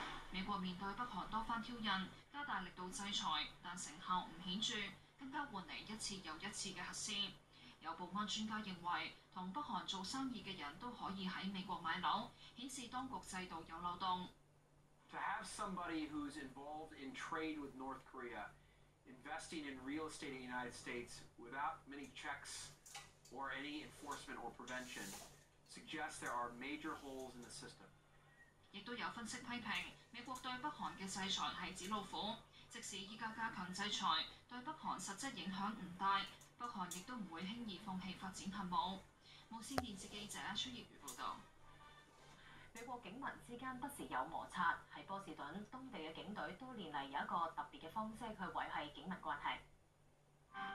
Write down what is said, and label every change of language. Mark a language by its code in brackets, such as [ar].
[yue] 美国面对北韩多番挑衅，加大力度制裁，但成效不显著，更加换来一次又一次的核试。有保安专家认为，和北韩做生意的人都可以在美国买楼，显示当局制度有漏洞。 [en] To have somebody who's involved in trade with North Korea, investing in real estate in the United States without many checks or any enforcement or prevention, suggests there are major holes in the system. [yue] 亦都有分析批评，美国对北韩的制裁是纸老虎，即使依家加强制裁，对北韩实质影响不大，北韩亦都不会轻易放弃发展核武。无线电视记者崔业如报道。美国警民之间不时有摩擦，在波士顿当地的警队多年来有一个特别的方式去维系警民关系。